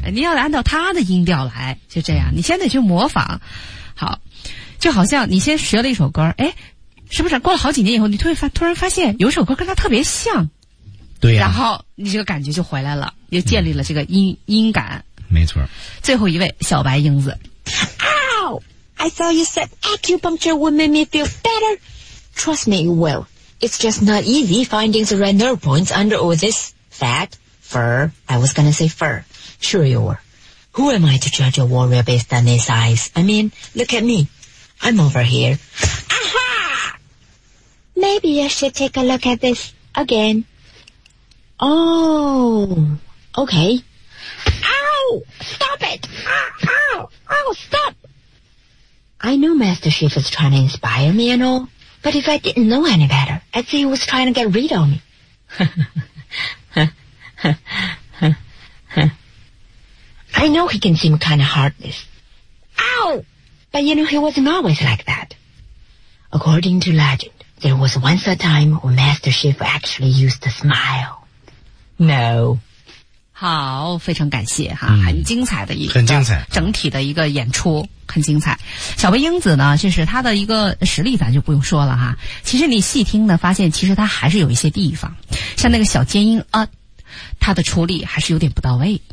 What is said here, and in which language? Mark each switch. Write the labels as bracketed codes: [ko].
[zh] 你要按照他的音调来，就这样，你先得去模仿。好，就好像你先学了一首歌，哎，是不是过了好几年以后，你突然发现有首歌跟他特别像？对呀、啊。然后你这个感觉就回来了，又建立了这个音感。没错，最后一位小白英子。 [en] Ow! I thought you said acupuncture would make me feel better. Trust me, it will. It's just not easy finding the right nerve points under all this fat, fur. I was gonna say fur. Sure you were. Who am I to judge a warrior based on his eyes? I mean, look at me. I'm over here. Aha! Maybe I should take a look at this again. Oh, okay. Stop it! Ow! Ow! Ow! Stop! I know Master Chief was trying to inspire me and all, but if I didn't know any better, I'd say he was trying to get rid of me. I know he can seem kind of heartless. Ow! But you know, he wasn't always like that. According to legend, there was once a time when Master Chief actually used to smile. No. [zh] 好，非常感谢哈、很精彩的一个，很精彩，整体的一个演出很精彩。小白英子呢，就是他的一个实力咱就不用说了哈。其实你细听呢，发现其实他还是有一些地方，像那个小尖音啊，他的出力还是有点不到位。